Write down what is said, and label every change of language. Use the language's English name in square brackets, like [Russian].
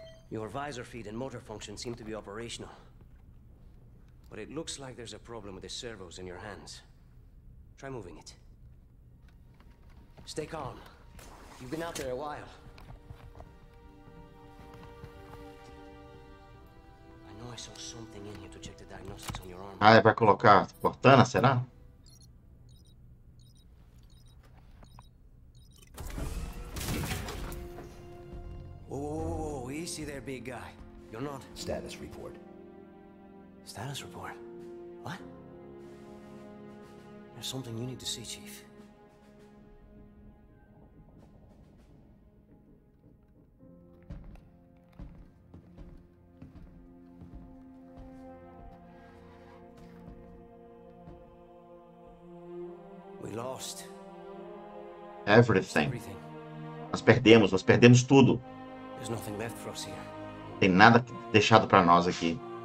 [English] Your visor feed and motor function seem to be operational. But it looks like there's a problem with the servos in your hands. Try moving it. Stay calm. You've been out there a while. I know I saw something in here to check the diagnostics on your arm. [Portuguese] Ah, é pra colocar Cortana, será? [English] Whoa, easy there, big guy. You're not. Status report. Status report? What? There's something you need to see, Chief. We lost everything. [Portuguese] Nós perdemos tudo. [English] There's nothing left for us here. [Portuguese] Tem nada deixado para nós aqui.